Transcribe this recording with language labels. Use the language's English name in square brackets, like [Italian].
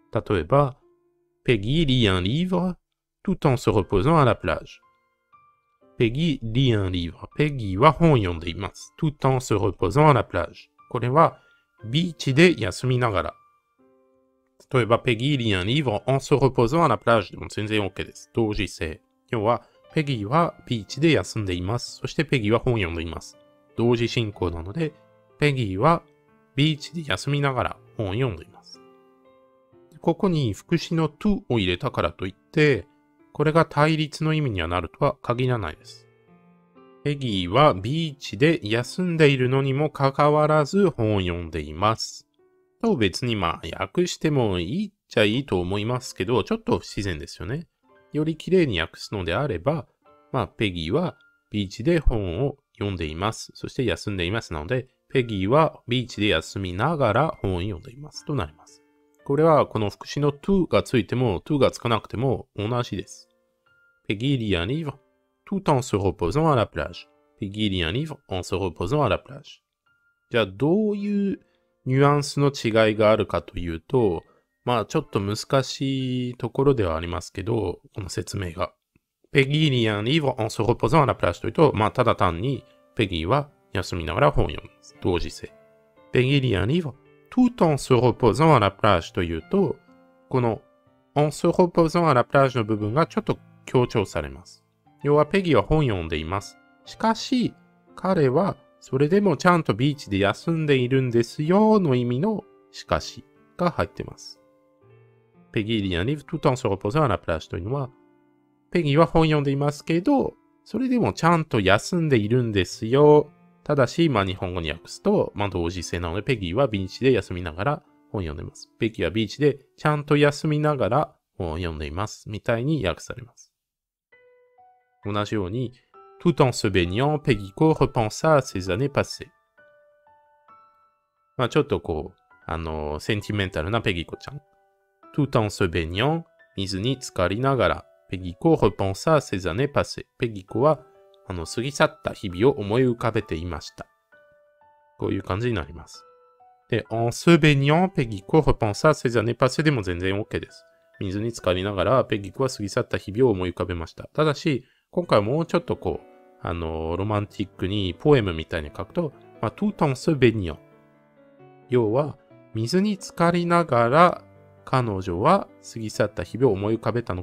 [French] 例えば、ペギー lit un livre tout en se reposant à la plage。ペギー lit un livre。 [Japanese] ペギーは本を読んでいます。 [French] tout en se reposant à la plage。 [Japanese] これは、ビーチで休みながら。 [French] 例えば、ペギー lit un livre en se reposant à la plage [Japanese] でも全然 OK です。同時性。要は、ペギーはビーチで休んでいます。そしてペギーは本を読んでいます。同時進行なので、ペギーはビーチで休みながら本を読んでいます。ここに副詞の to を入れたからといって、これが対立の意味にはなるとは限らないです。ペギーはビーチで休んでいるのにもかかわらず本を読んでいます。と別にまあ訳してもいいっちゃいいと思いますけど、ちょっと不自然ですよね。より綺麗に訳すのであれば、まあペギーはビーチで本を読んでいます。そして休んでいますなので、ペギーはビーチで休みながら本を読んでいます。となります。これはこの副詞の to がついても to がつかなくても同じです。 [French] ペギー lit un livre tout en se reposant à la plage。ペギー lit un livre en se reposant à la plage。 [Japanese] じゃあどういうニュアンスの違いがあるかというと、まあちょっと難しいところではありますけど、この説明が。ペギー [French] lit un livre en se reposant à la plage [Japanese] というと、まあただ単にペギーは休みながら本を読む。同時性。ペギー [French] lit un livre tout en se reposant à la plage [Japanese] というと、この [French] en se reposant à la plage [Japanese] の部分がちょっと強調されます。要はペギーは本を読んでいます。しかし、彼はそれでもちゃんとビーチで休んでいるんですよの意味のしかしが入ってます。ペギー [French] lit un livre tout en se reposant à la plage [Japanese] というのは、ペギーは本読んでいますけど、それでもちゃんと休んでいるんですよ。ただし、まあ日本語に訳すと、まあ同時性なので、ペギーはビーチで休みながら本読んでます。ペギーはビーチでちゃんと休みながら本を読んでいます。みたいに訳されます。同じように、 [French] tout en se baignant, Peggy repensa à ses années passées。 [Japanese] まあちょっとこう、センチメンタルなペギコちゃん。 [French] tout en se baignant, [Japanese] 水に浸かりながら、 [French] ペギコ repensa à ses années passées。 [Japanese] ペギコは、過ぎ去った日々を思い浮かべていました。こういう感じになります。 [French] で、en se baignant, Peggy repensa à ses années passées [Japanese] でも全然 OK です。水に浸かりながら、ペギコは過ぎ去った日々を思い浮かべました。ただし、今回もうちょっとこう、ロマンティックにポエムみたいに書くと、まあ、 [French] tout en se baignant。 [Japanese] 要は、水に浸かりながら、彼女は過ぎ去った日々を思い浮かべたの。